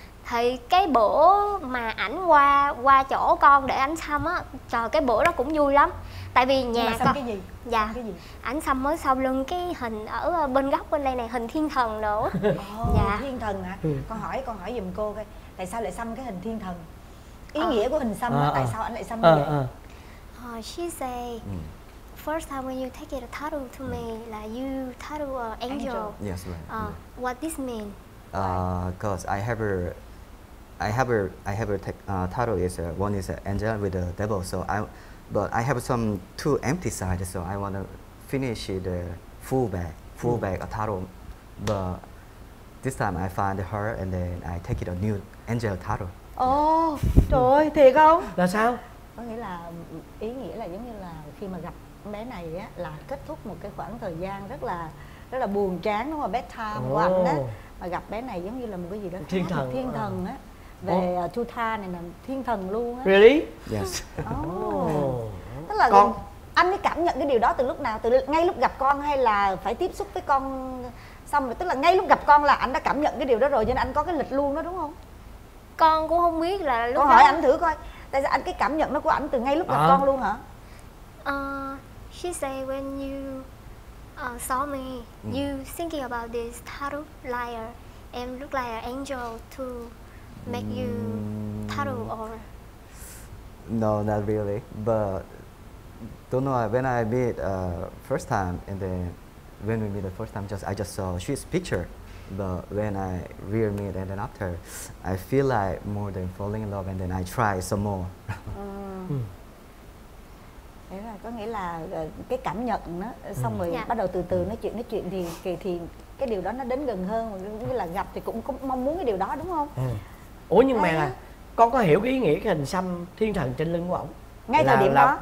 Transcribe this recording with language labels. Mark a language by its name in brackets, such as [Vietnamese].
[Vietnamese] Thì cái bữa mà ảnh qua chỗ con để ảnh xăm á, trời, cái bữa đó cũng vui lắm. Tại vì nhà xăm con cái gì? Dạ, ảnh xăm ở sau lưng cái hình ở bên góc bên đây này, hình thiên thần nữa. Thiên thần hả? Con hỏi giùm cô coi, tại sao lại xăm cái hình thiên thần? Ý nghĩa của hình xăm là tại sao anh lại xăm như vậy? [English] She say first time when you take it a tattoo to me là like you tattoo an angel. Yes, right. What this mean? Cause I have a tattoo is one is an angel with a devil. But I have some two empty sides, so I want to finish the full bag a tattoo. But this time I find her and then I take it a new angel tattoo. [Vietnamese] Trời ơi, thiệt không? Là sao? Có nghĩa là ý nghĩa là giống như là khi mà gặp bé này á là kết thúc một cái khoảng thời gian rất là buồn chán, đúng không? [English] Bad time [Vietnamese] của anh á, mà gặp bé này giống như là một cái gì đó thiên thần, một thiên thần á. Về Chuta này là thiên thần luôn á. [English] Really? Yes. [Vietnamese] Tức là con. Anh ấy cảm nhận cái điều đó từ lúc nào? Từ ngay lúc gặp con hay là phải tiếp xúc với con xong rồi? Tức là ngay lúc gặp con là anh đã cảm nhận cái điều đó rồi, cho nên anh có cái lịch luôn đó đúng không? Con cũng không biết là lúc con đó... hỏi anh thử coi. Tại sao anh cái cảm nhận nó của anh từ ngay lúc gặp con luôn hả? [English] She say when you saw me, you thinking about this tattoo liar and look like an angel to make you tattoo or... No, not really. But don't know when I meet first time and then when we meet the first time, I just saw she's picture. But when I really meet and then after, I feel like more than falling in love and then I try some more. [Vietnamese] Có nghĩa là cái cảm nhận đó, xong rồi bắt đầu từ từ nói chuyện thì cái điều đó nó đến gần hơn, cũng như là gặp thì cũng mong muốn cái điều đó đúng không? Ủa nhưng mà con có hiểu cái ý nghĩa cái hình xăm thiên thần trên lưng của ổng? Ngay thời điểm đó?